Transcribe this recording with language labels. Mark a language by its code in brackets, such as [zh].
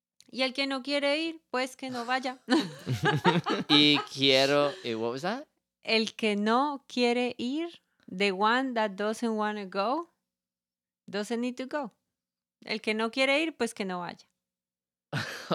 [es] Y el que no quiere ir, pues que no vaya. Y quiero, y [en] what was that? [es] El que no quiere ir, [en] the one that doesn't want to go, doesn't need to go. [es] El que no quiere ir, pues que no vaya.